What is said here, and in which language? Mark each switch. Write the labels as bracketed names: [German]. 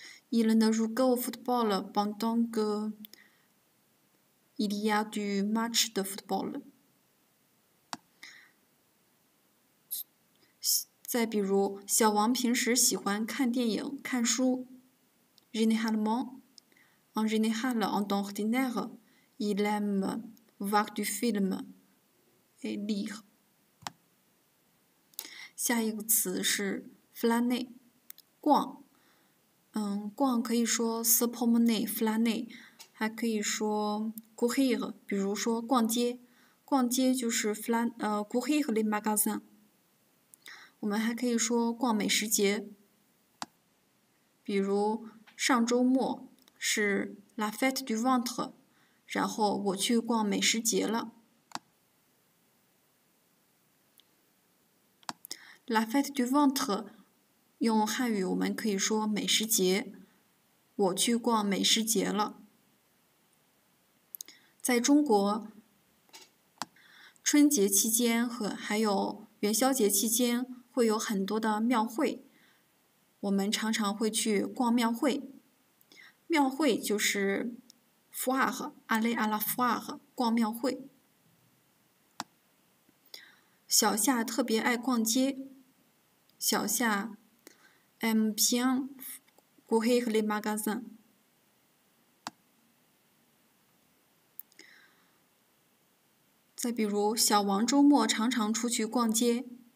[French] Il ne joue pas au football pendant que il y a du match de football。 [Chinese] 再比如小王平时喜欢看电影看书。 [French] Généralement En général, en temps ordinaire, il aime voir du film et lire. [Chinese] 下一个词是 [French] flâner, [Chinese] 逛。逛可以说 [French] se promener, flâner, [Chinese] 还可以说 [French] courir, [Chinese] 比如说逛街。逛街就是 [French] courir les magasins。 [Chinese] 我们还可以说逛美食节。比如上周末是 [French] la fête du ventre， [Chinese] 然后我去逛美食节了。 [French] la fête du ventre [Chinese] 用汉语我们可以说美食节，我去逛美食节了。在中国春节期间和还有元宵节期间会有很多的庙会，我们常常会去逛庙会。庙会就是 [French] foire, aller à la foire, [Chinese] 逛庙会。小夏特别爱逛街。 [French] 小夏 aime bien courir les magasins。 [Chinese] 再比如小王周末常常出去逛街。